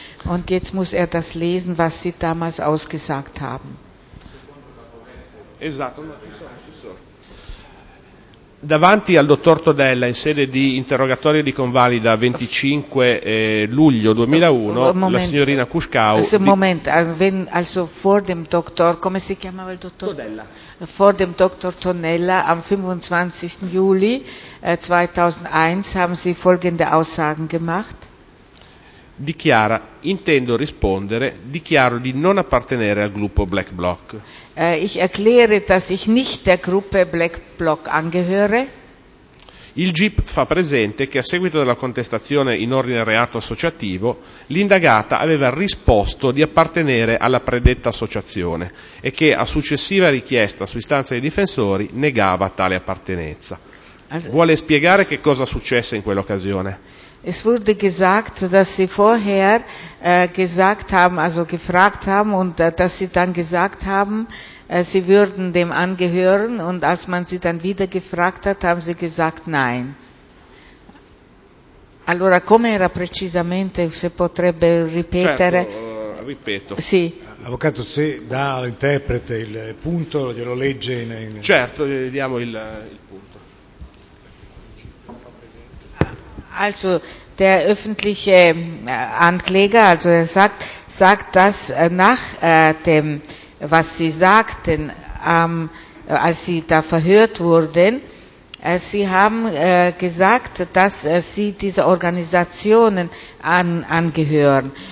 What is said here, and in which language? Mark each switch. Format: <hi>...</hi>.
<de>Und jetzt muss das lesen, was Sie damals ausgesagt haben.</de> <it>Esatto. Davanti al dottor Todella in sede di interrogatorio di convalida 25 luglio 2001, la signorina Kuschkau. Un momento,</it> <de>also vor dem Doktor,</de> <it>come si chiamava il dottor? Todella.</it> <de>Vor dem Doktor Todella am 25. Juli 2001 haben Sie folgende Aussagen gemacht.</de> <it>Dichiara, intendo rispondere, dichiaro di non appartenere al gruppo Black Bloc.</it> <de>Ich erkläre, dass ich nicht der Gruppe Black Bloc angehöre.</de> <it>Il GIP fa presente che a seguito della contestazione in ordine al reato associativo, l'indagata aveva risposto di appartenere alla predetta associazione e che a successiva richiesta su istanza dei difensori negava tale appartenenza. Vuole spiegare che cosa successe in quell'occasione?</it> <de>Es wurde gesagt, dass Sie vorher gesagt haben, also gefragt haben und dass Sie dann gesagt haben, Sie würden dem angehören und als man Sie dann wieder gefragt hat, haben Sie gesagt nein.</de> <it>Allora, come era precisamente, se potrebbe ripetere? Certo, ripeto. Sì. Avvocato, se dà all'interprete il punto, glielo legge in... Certo, gli diamo il punto.</it> <de>Also der öffentliche Ankläger, also er sagt dass nach dem, was Sie sagten, als Sie da verhört wurden, Sie haben gesagt, dass Sie dieser Organisationen angehören.</de>